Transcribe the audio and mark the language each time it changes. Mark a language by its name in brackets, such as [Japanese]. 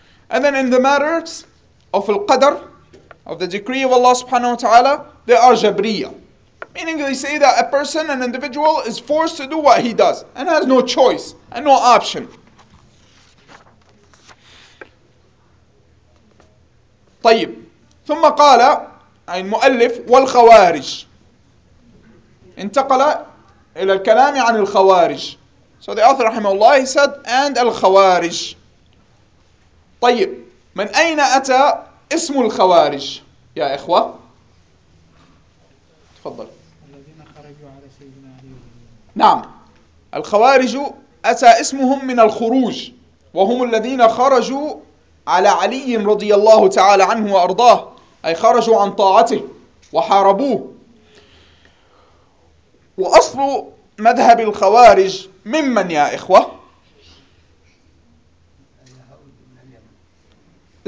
[English] And then in the matters of al-qadr, of the decree of Allah subhanahu wa ta'ala, they are jabriya. Meaning they say that a person, an individual, is forced to do what he does and has no choice and no option. [Arabic] طيب ثم قال أي المؤلف والخوارج انتقل إلى الكلام عن الخوارج. [English] So the author [Arabic] رحمه الله [English] said and الخوارج. [Arabic] طيب من أين أتى اسم الخوارج يا إخوة؟ تفضل. نعم الخوارج أتى اسمهم من الخروج وهم الذين خرجوا على علي رضي الله تعالى عنه وأرضاه أي خرجوا عن طاعته وحاربوه وأصل مذهب الخوارج ممن يا إخوة لا